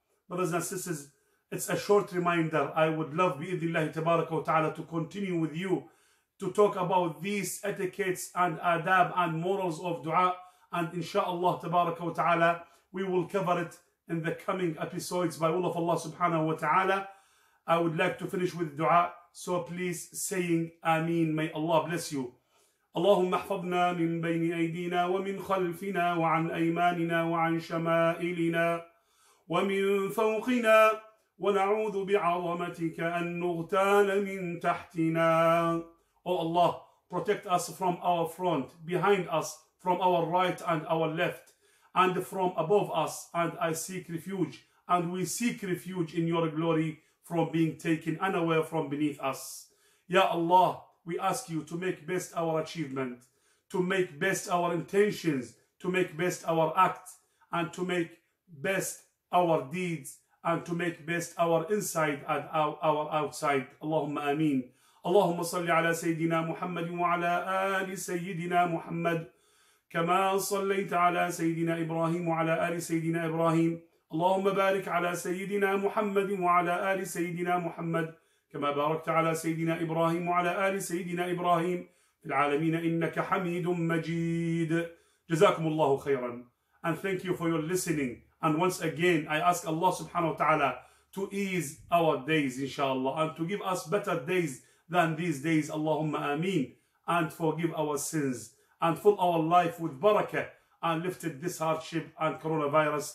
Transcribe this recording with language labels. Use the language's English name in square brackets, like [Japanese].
[English] Brothers and sisters, it's a short reminder. I would love, bi-idhillahi tabaraka wa ta'ala, to continue with you to talk about these etiquettes and adab and morals of dua. And insha'Allah tabaraka wa ta'ala, we will cover it in the coming episodes by will of Allah subhanahu wa ta'ala. I would like to finish with dua. So please saying ameen. May Allah bless you. [Arabic] اللهم احفظنا من بين أيدينا ومن خلفنا وعن أيماننا وعن شمائلنا ومن فوقنا ونعوذ بعظمتك أن نغتال من تحتنا. [English] Oh Allah, protect us from our front, behind us, from our right and our left, and from above us, and I seek refuge, and we seek refuge in your glory from being taken unaware from beneath us. Ya Allah, we ask you to make best our achievement, to make best our intentions, to make best our act, and to make best our deeds, and to make best our inside and our outside. [Arabic] Allahumma ameen. Allahumma salli ala Sayyidina Muhammad wa ala ali Sayyidina Muhammad. كما صليت على سيدنا إبراهيم وعلى آل سيدنا إبراهيم اللهم بارك على سيدنا محمد وعلى آل سيدنا محمد كما باركت على سيدنا إبراهيم وعلى آل سيدنا إبراهيم في العالمين إنك حميد مجيد. جزاكم الله خيرا. [English] And thank you for your listening. And once again, I ask Allah subhanahu wa ta'ala to ease our days, inshallah, and to give us better days than these days. [Arabic] Allahumma ameen. [English] And forgive our sins. And fill our life with barakah and lifted this hardship and coronavirus.